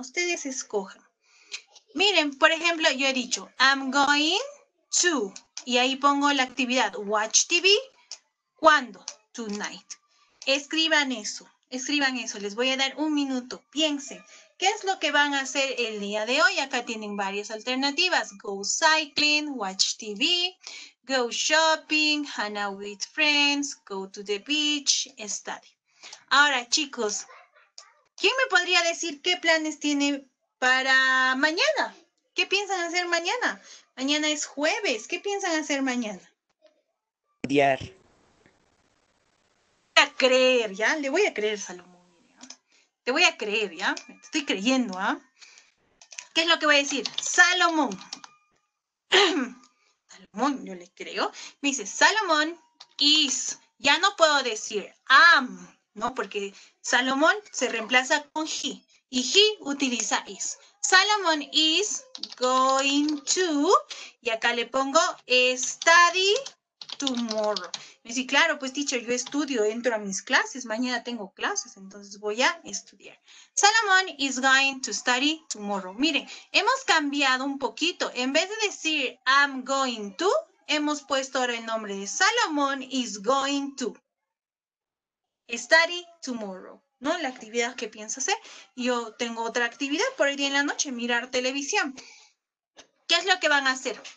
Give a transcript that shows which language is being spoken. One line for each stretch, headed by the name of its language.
Spanish: Ustedes escojan. Miren, por ejemplo, yo he dicho,
English: I'm going to,
Spanish: y ahí pongo la actividad,
English: watch TV.
Spanish: ¿Cuándo?
English: Tonight.
Spanish: Escriban eso, escriban eso. Les voy a dar un minuto. Piensen, ¿qué es lo que van a hacer el día de hoy? Acá tienen varias alternativas.
English: Go cycling, watch TV. Go shopping, hang out with friends, go to the beach, study.
Spanish: Ahora, chicos, ¿quién me podría decir qué planes tiene para mañana? ¿Qué piensan hacer mañana? Mañana es jueves, ¿qué piensan hacer mañana? A creer, ¿ya? Le voy a creer, Salomón. Te voy a creer, ¿ya? Te estoy creyendo, ¿ah? ¿Qué es lo que voy a decir? Salomón. Salomón, yo le creo. Me dice, Salomón
English: is.
Spanish: Ya no puedo decir am, ¿no? Porque Salomón se reemplaza con he. Y he utiliza is. Salomón
English: is going to.
Spanish: Y acá le pongo
English: study tomorrow.
Spanish: Me dice, claro, pues teacher, yo estudio, entro a mis clases. Mañana tengo clases, entonces voy a estudiar.
English: Salomón is going to study tomorrow.
Spanish: Miren, hemos cambiado un poquito. En vez de decir
English: I'm going to,
Spanish: hemos puesto ahora el nombre de Salomón
English: is going to study tomorrow,
Spanish: ¿no? La actividad que piensa hacer. Yo tengo otra actividad por hoy día en la noche, mirar televisión. ¿Qué es lo que van a hacer?